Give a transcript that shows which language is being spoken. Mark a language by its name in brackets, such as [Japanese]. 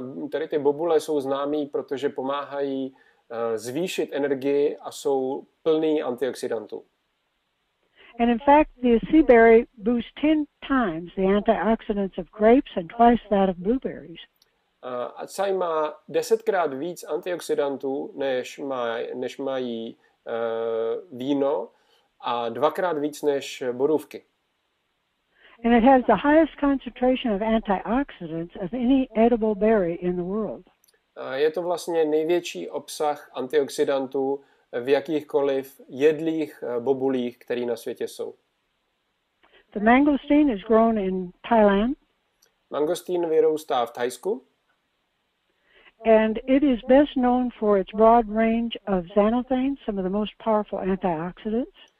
[Czech] Tady ty bobule jsou známé, protože pomáhají zvýšit energii a jsou plný antioxidantů. [English] And in fact, the sea berry boosts 10 times the antioxidants of grapes and twice that of blueberries. [Czech] Acai má 10x víc antioxidantů, než mají víno a 2x víc než borůvky. [English] And it has the highest concentration of antioxidants of any edible berry in the world. [Czech] Je to vlastně největší obsah antioxidantů v jakýchkoliv jedlých bobulích, které na světě jsou. [English] The mangosteen is grown in Thailand. [Czech] Mangosteen vyrůstá v Thajsku. [English] And it is best known for its broad range of xanthans, some of the most powerful antioxidants.